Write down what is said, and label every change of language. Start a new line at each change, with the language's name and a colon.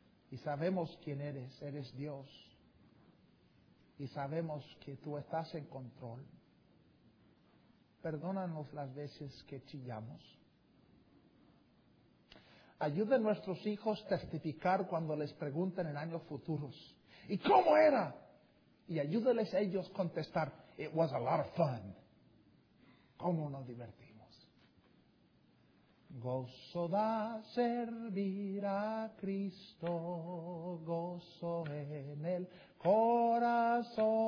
Spanish: Y sabemos quién eres, eres Dios. Y sabemos que tú estás en control. Perdónanos las veces que chillamos. Ayuda a nuestros hijos a testificar cuando les pregunten en años futuros. ¿Y cómo era? Y ayúdales a ellos a contestar,
English: it was a lot of fun.
Spanish: ¿Cómo nos divertimos? Gozo da servir a Cristo, gozo en el corazón.